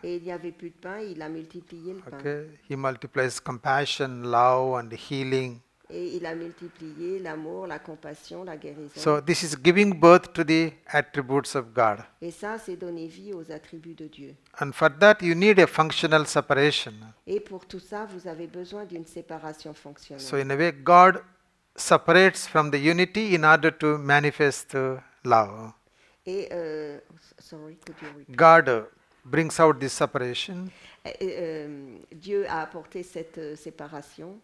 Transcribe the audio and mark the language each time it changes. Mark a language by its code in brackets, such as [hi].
[fr] Et il n'y avait plus de pain, il a multiplié le pain. [en] Okay. He multiplies compassion, love and healing. [fr] Et il a multiplié l'amour, la compassion, la guérison. [en] So this is giving birth to the attributes of God. [fr] Et ça, c'est donner vie aux attributs de Dieu. [en] And for that, you need a functional separation. [fr] Et pour tout ça, vous avez besoin d'une séparation fonctionnelle. [en] So in a way, God separates from the unity in order to manifest love. Et, sorry, could you repeat? God brings out this separation. [fr] Dieu a apporté cette séparation.